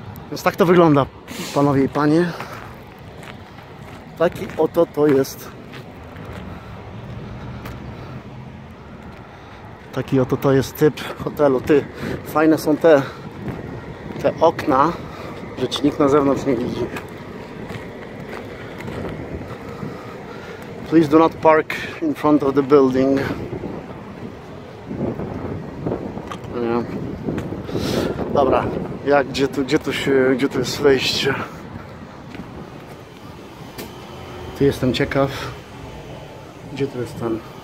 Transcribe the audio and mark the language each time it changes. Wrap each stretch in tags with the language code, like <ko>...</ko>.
<pl>Więc tak to wygląda, panowie i panie. Taki oto to jest. Taki oto to jest typ hotelu. Ty, fajne są te okna, że ci nikt na zewnątrz nie widzi.</pl> <en>Please do not park in front of the building.</en> <pl>Dobra, jak, gdzie tu jest wejście? Tu jestem ciekaw, gdzie tu jest ten?</pl>